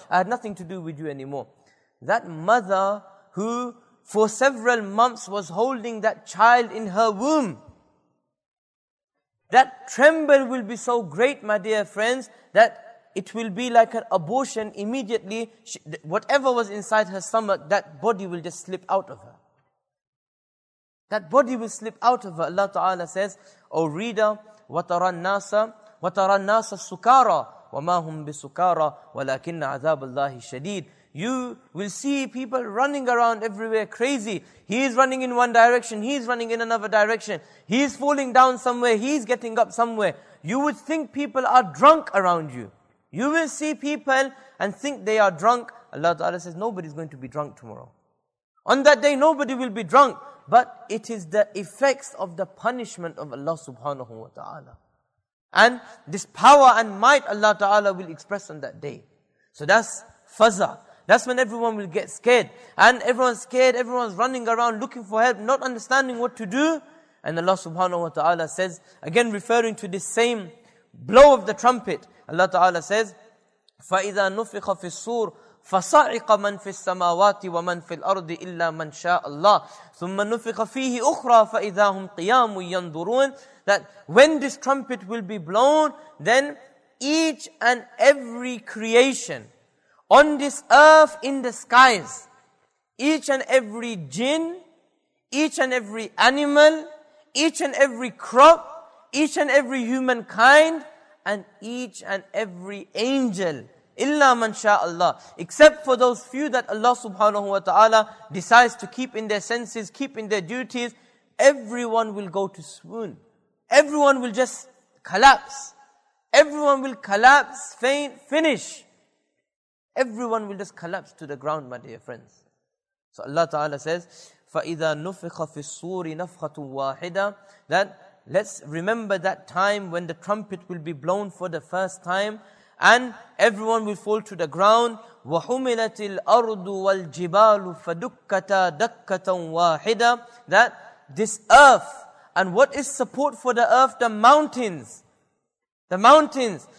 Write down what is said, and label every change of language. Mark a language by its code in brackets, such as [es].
[en] I have nothing to do with you anymore. That mother who for several months was holding that child in her womb, that tremble will be so great, my dear friends, that it will be like an abortion immediately. Whatever was inside her stomach, that body will just slip out of her. That body will slip out of her. Allah Ta'ala says, O reader, [ar] وَتَرَى النَّاسَ سُكَارَى وَمَا هُمْ بِسُكَارَى وَلَكِنَّ عَذَابَ اللَّهِ شَدِيدٌ. [en] You will see people running around everywhere crazy. He is running in one direction, he is running in another direction. He is falling down somewhere, he is getting up somewhere. You would think people are drunk around you. You will see people and think they are drunk. Allah Ta'ala says, nobody is going to be drunk tomorrow. On that day, nobody will be drunk. But it is the effects of the punishment of Allah subhanahu wa ta'ala. And this power and might Allah Ta'ala will express on that day. So that's faza. That's when everyone will get scared. And everyone's scared, everyone's running around looking for help, not understanding what to do. And Allah subhanahu wa ta'ala says, again referring to this same blow of the trumpet, Allah Ta'ala says, [ar] فَإِذَا نُفِخَ فِي الصُّورِ فَصَعِقَ مَنْ فِي السَّمَاوَاتِ وَمَنْ فِي الْأَرْضِ إِلَّا مَنْ شَاءَ اللَّهِ ثُمَّ نُفِقَ فِيهِ أُخْرَى فَإِذَا هُمْ قِيَامٌ يَنْظُرُونَ. [en] That when this trumpet will be blown, then each and every creation on this earth in the skies, each and every jinn, each and every animal, each and every crop, each and every humankind, and each and every angel, [ar] إِلَّا مَنْ شَاءَ اللَّهِ, [en] except for those few that Allah subhanahu wa ta'ala decides to keep in their senses, keep in their duties, everyone will go to swoon. Everyone will just collapse. Everyone will collapse, faint, finish. Everyone will just collapse to the ground, my dear friends. So Allah Ta'ala says, [ar] فَإِذَا نُفِخَ فِي الصُّورِ نَفْخَةٌ وَاحِدًا. [en] That let's remember that time when the trumpet will be blown for the first time and everyone will fall to the ground. [ar] وَحُمِلَتِ الْأَرْضُ وَالْجِبَالُ فَدُكَّتَا دَكَّةً وَاحِدًا. [en] That this earth and what is support for the earth, the mountains. The mountains.